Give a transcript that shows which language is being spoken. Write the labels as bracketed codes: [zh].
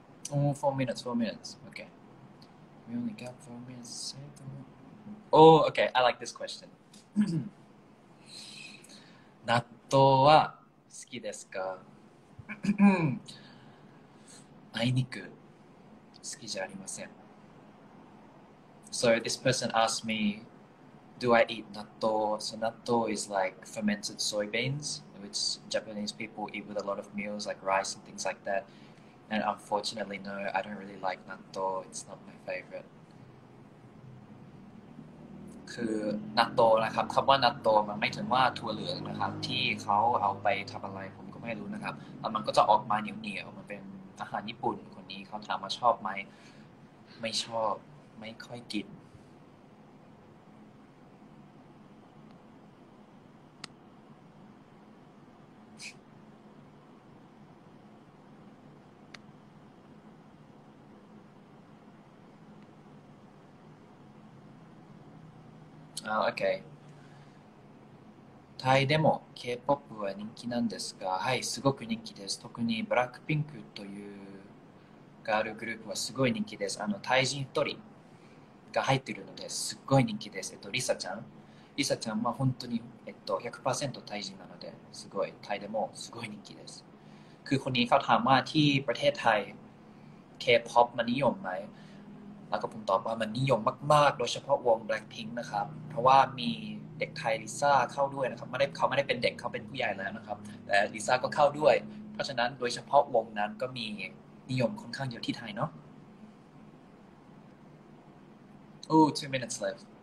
[en] Oh, 4 minutes, 4 minutes. Okay. We only got 4 minutes. Oh, okay. I like this question. [ja] 納豆は好きですか？あいにく好きじゃありません。 [en] So this person asked me, do I eat natto? So natto is like fermented soybeans, which Japanese people eat with a lot of meals like rice and things like that. And unfortunately, no, I don't really like natto. It's not my favorite. [th] คือ natto นะครับคำว่า natto มันไม่ถึงว่าถั่วเหลืองนะครับที่เขาเอาไปทำอะไรผมก็ไม่รู้นะครับแล้วมันก็จะออกมาเหนียวๆมันเป็น อาหารญี่ปุ่นคนนี้เขาถามมาชอบไหมไม่ชอบไม่ค่อยกินโอเคไทย [ja] でも K-POP は人気なんですか？はい、すごく人気です。特にブラックピンクというガールグループはすごい人気です。あのタイ人一人が入っているのですごい人気です。リサちゃん。リサちゃんは本当に、100% タイ人なのですごい、タイでもすごい人気です。 [th] คือคนนี้เขาถามว่าที่ประเทศไทย K-POP มันนิยมไหมแล้วก็ผมตอบว่ามันนิยมมากๆโดยเฉพาะวง Blackpink นะครับเพราะว่ามีเด็กไทยลิซ่าเข้าด้วยนะครับไม่ได้เขาไม่ได้เป็นเด็กเขาเป็นผู้ใหญ่แล้วนะครับแต่ลิซ่าก็เข้าด้วยเพราะฉะนั้นโดยเฉพาะวงนั้นก็มีนิยมค่อนข้างเยอะที่ไทยเนาะ [en] Ooh, 2 minutes left.